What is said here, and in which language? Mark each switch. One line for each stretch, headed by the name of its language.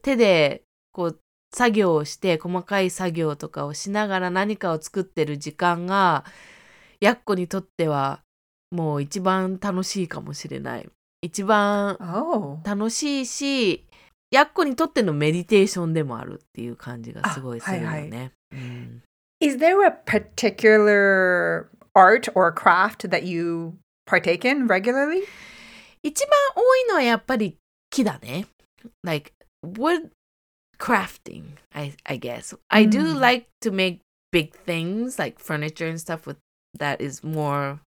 Japanese: 手で、こう、作業をして、細かい作業とかをしながら何かを作ってる時間が、やっこにとっては、もう一番楽しいかもしれない。一番楽しいし、やっこにとってのメディテーションでもあるっていう感じがすごいするよね。はいはい、
English: Is there a particular art or craft that you partake in regularly?
Japanese: 一番多いのはやっぱり木だね。
English: Like wood crafting, I guess. I do like to make big things like furniture and stuff with that is more...